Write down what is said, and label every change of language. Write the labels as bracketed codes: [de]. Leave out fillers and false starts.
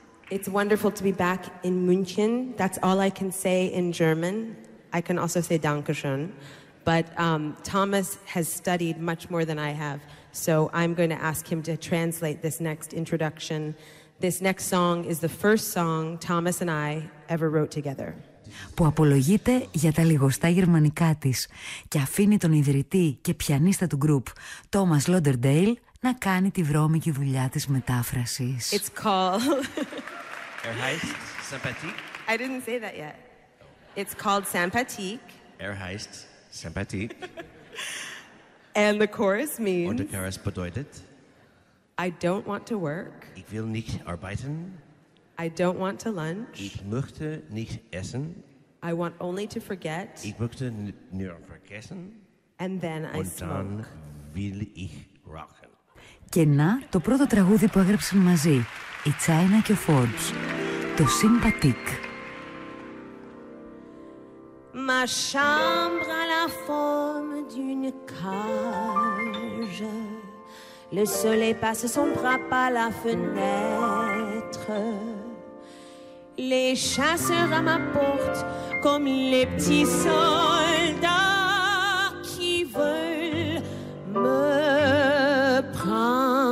[en] It's wonderful to be back in München. That's all I can say in German. I can also say Dankeschön. But Thomas has studied much more than I have, so I'm going to ask him to translate this next introduction. This next song is the first song Thomas and I ever wrote together. [el] Που απολογείται για τα λιγοστά γερμανικά της και αφήνει τον ιδρυτή και πιανίστα του γκρουπ, Thomas Lauderdale, να κάνει τη βρώμικη δουλειά της μετάφρασης. [en] It's called... [de] Erheist Sympathique? [en] I didn't say that yet. It's called Sympathique. [de] Erheist Sympathique. [en] And the chorus means... [de] Und der Chorus bedeutet... [en] I don't want to work. [de] Ich will nicht arbeiten. [en] I don't want to lunch. [de] Ich möchte nicht essen. [en] I want only to forget. [de] Ich möchte nur vergessen. [en] And then I [de] Und [en] smoke. [de] Dann will ich rauchen. [el] Και να το πρώτο τραγούδι που έγραψαν μαζί, η China και ο Forbes, το Sympathique. [fr] Ma chambre a la forme d'une cage. Le soleil passe son bras par la fenêtre. Les chasseurs à ma porte, comme les petits soldats qui veulent me prendre.